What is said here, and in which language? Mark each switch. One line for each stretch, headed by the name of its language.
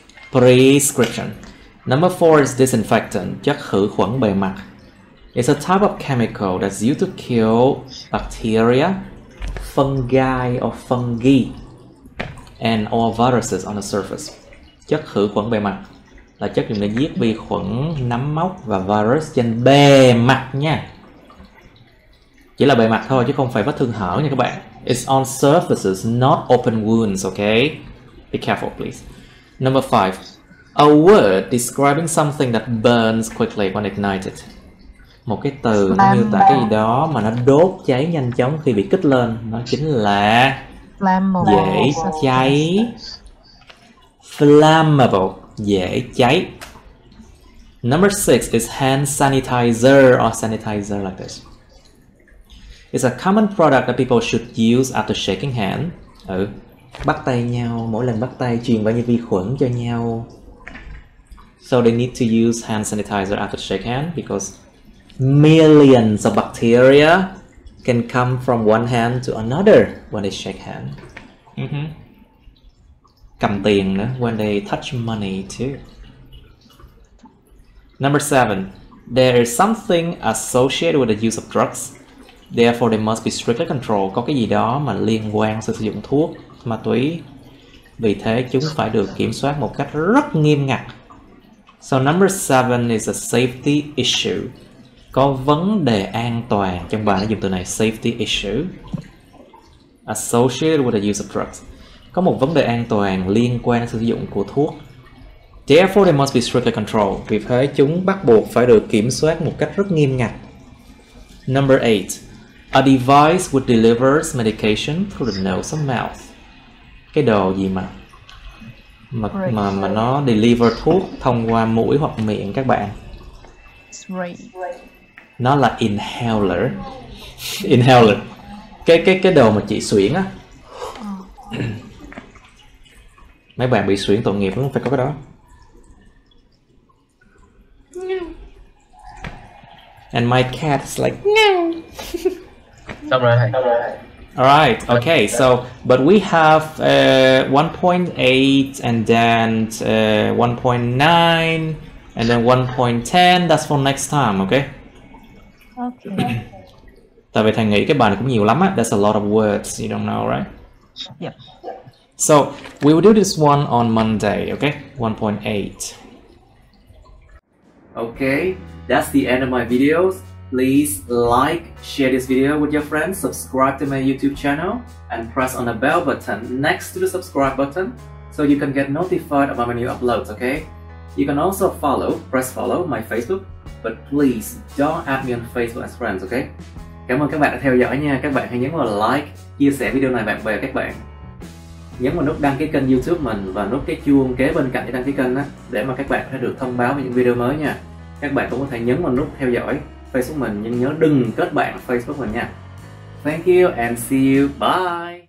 English: Prescription. Number four is disinfectant,
Vietnamese: chất khử khuẩn bề mặt.
English: It's a type of chemical that's used to kill bacteria, fungi or fungi, and all viruses on the surface.
Vietnamese: Chất khử khuẩn bề mặt là chất dùng để giết vi khuẩn, nấm mốc và virus trên bề mặt nha. Chỉ là bề mặt thôi chứ không phải vết thương hở nha các bạn.
English: It's on surfaces, not open wounds, okay? Be careful, please. Number five. A word describing something that burns quickly when ignited.
Vietnamese: Một cái từ nó miêu tả cái gì đó mà nó đốt cháy nhanh chóng khi bị kích lên. Nó chính là
English: flammable.
Vietnamese: Dễ cháy. Flammable. Dễ cháy.
English: Number six is hand sanitizer or sanitizer like this. It's a common product that people should use after shaking hands. Ừ.
Vietnamese: Bắt tay nhau, mỗi lần bắt tay truyền bao nhiêu vi khuẩn cho nhau.
English: So they need to use hand sanitizer after shake hand because millions of bacteria can come from one hand to another when they shake hand. Mm-hmm.
Vietnamese: Cầm tiền nữa,
English: when they touch money too. Number seven, there is something associated with the use of drugs. Therefore, they must be strictly controlled.
Vietnamese: Có cái gì đó mà liên quan sự sử dụng thuốc, ma túy. Vì thế, chúng phải được kiểm soát một cách rất nghiêm ngặt.
English: So number seven is a safety issue.
Vietnamese: Có vấn đề an toàn. Trong bài nó dùng từ này, safety issue.
English: Associated with the use of drugs.
Vietnamese: Có một vấn đề an toàn liên quan sử dụng của thuốc.
English: Therefore, they must be strictly controlled.
Vietnamese: Vì thế, chúng bắt buộc phải được kiểm soát một cách rất nghiêm ngặt.
English: Number eight. A device which delivers medication through the nose and mouth.
Vietnamese: Cái đồ gì mà nó deliver thuốc thông qua mũi hoặc miệng các bạn.
English: Right.
Vietnamese: Nó là inhaler. Inhaler. Cái đồ mà chị xuyễn á. Mấy bạn bị xuyễn tội nghiệp không phải có cái đó.
English: And my cat is like meow. All right, okay, so, but we have 1.8 and then 1.9 and then 1.10, that's for next time, okay? Okay.
Vietnamese: Tại vì thầy nghĩ cái bài này cũng nhiều lắm á,
English: that's a lot of words, you don't know, right? Yep. So, we will do this one on Monday, okay? 1.8. Okay, that's the end of my videos. Please like, share this video with your friends, subscribe to my YouTube channel, and press on the bell button next to the subscribe button so you can get notified about my new uploads, okay? You can also press follow my Facebook, but please don't add me on Facebook as friends, okay?
Vietnamese: Cảm ơn các bạn đã theo dõi nha. Các bạn hãy nhấn vào like, chia sẻ video này bạn bè các bạn. Nhấn vào nút đăng ký kênh YouTube mình và nút cái chuông kế bên cạnh để đăng ký kênh á, để mà các bạn sẽ được thông báo về những video mới nha. Các bạn cũng có thể nhấn vào nút theo dõi Facebook mình, nhưng nhớ đừng kết bạn Facebook mình nha.
English: Thank you and see you. Bye.